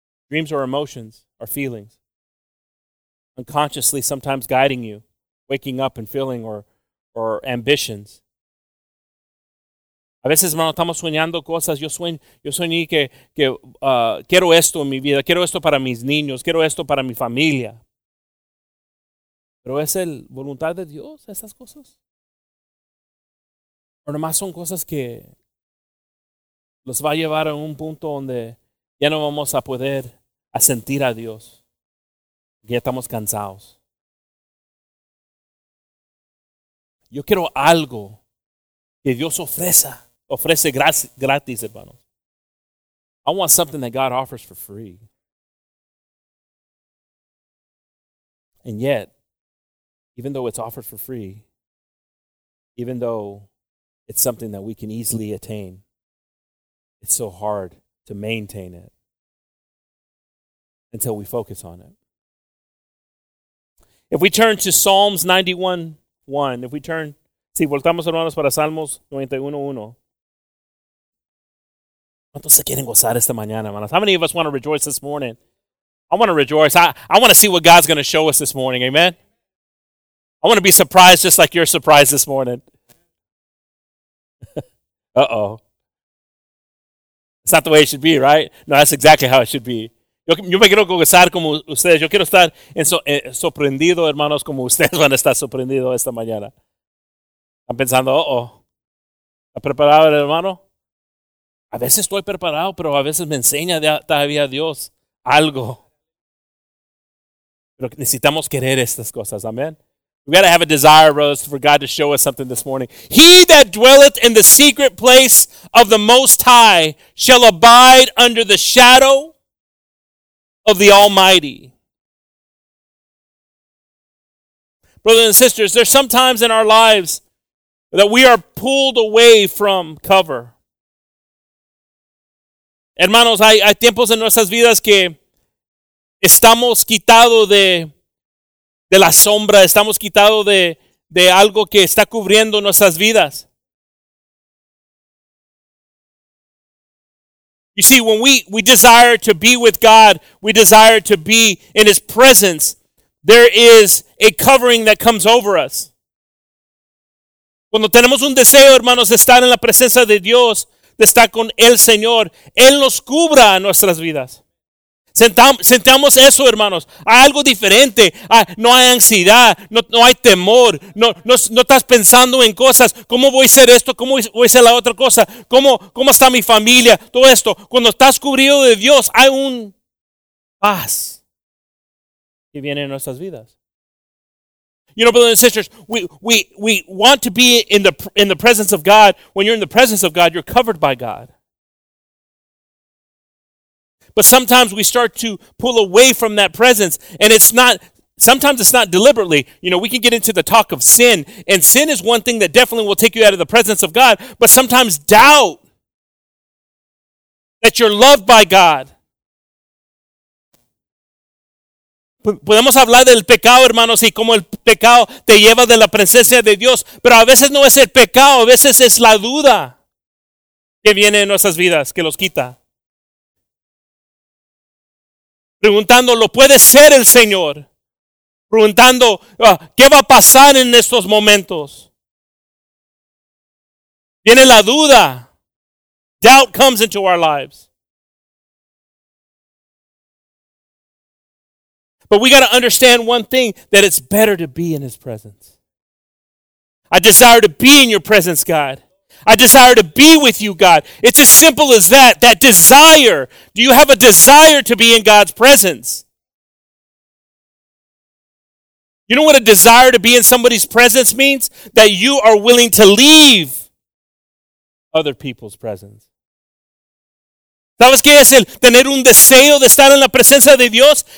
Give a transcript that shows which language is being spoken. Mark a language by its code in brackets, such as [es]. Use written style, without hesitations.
[en] Dreams are emotions, are feelings, unconsciously sometimes guiding you, waking up and feeling or ambitions. [es] A veces, hermano, estamos soñando cosas. Yo soñé que quiero esto en mi vida. Quiero esto para mis niños. Quiero esto para mi familia. ¿Pero es el voluntad de Dios esas cosas? ¿O nomás son cosas que los va a llevar a un punto donde ya no vamos a poder a sentir a Dios? Ya estamos cansados. Yo quiero algo que Dios ofrece gratis, hermanos. [en] I want something that God offers for free. And yet, even though it's offered for free, even though it's something that we can easily attain, it's so hard to maintain it until we focus on it. If we turn to Psalms 91:1, if we turn, [es] si voltamos, hermanos, para Salmos 91:1, ¿cuántos se quieren gozar esta mañana, hermanos? [en] How many of us want to rejoice this morning? I want to rejoice. I want to see what God's going to show us this morning. Amen? I want to be surprised just like you're surprised this morning. Uh-oh. It's not the way it should be, right? No, that's exactly how it should be. [es] Yo me quiero gozar como ustedes. Yo quiero estar sorprendido, hermanos, como ustedes van a estar sorprendidos esta mañana. Están pensando, uh-oh. ¿Está preparado el hermano? A veces estoy preparado, pero a veces me enseña todavía Dios algo. Pero necesitamos querer estas cosas, amen. [en] We got to have a desire, brothers, for God to show us something this morning. He that dwelleth in the secret place of the Most High shall abide under the shadow of the Almighty. Brothers and sisters, there's sometimes in our lives that we are pulled away from cover. [es] Hermanos, hay tiempos en nuestras vidas que estamos quitados de la sombra, estamos quitados de algo que está cubriendo nuestras vidas. [en] You see, when we desire to be with God, we desire to be in his presence, there is a covering that comes over us. [es] Cuando tenemos un deseo, hermanos, de estar en la presencia de Dios, de estar con el Señor, Él nos cubra nuestras vidas. Sentamos eso, hermanos. Hay algo diferente. No hay ansiedad. No hay temor. No estás pensando en cosas. ¿Cómo voy a hacer esto? ¿Cómo voy a hacer la otra cosa? ¿Cómo está mi familia? Todo esto. Cuando estás cubrido de Dios, hay un paz que viene en nuestras vidas. [en] You know, brothers and sisters, we want to be in the presence of God. When you're in the presence of God, you're covered by God. But sometimes we start to pull away from that presence, and sometimes it's not deliberately. You know, we can get into the talk of sin, and sin is one thing that definitely will take you out of the presence of God, but sometimes doubt that you're loved by God. [es] Podemos hablar del pecado, hermanos, y cómo el pecado te lleva de la presencia de Dios, pero a veces no es el pecado, a veces es la duda que viene en nuestras vidas, que los quita. Preguntando, ¿lo puede ser el Señor? Preguntando, ¿qué va a pasar en estos momentos? Viene la duda. [en] Doubt comes into our lives. But we got to understand one thing, that it's better to be in his presence. I desire to be in your presence, God. I desire to be with you, God. It's as simple as that. That desire. Do you have a desire to be in God's presence? You know what a desire to be in somebody's presence means? That you are willing to leave other people's presence. [es] ¿Sabes qué es el tener un deseo de estar en la presencia de Dios?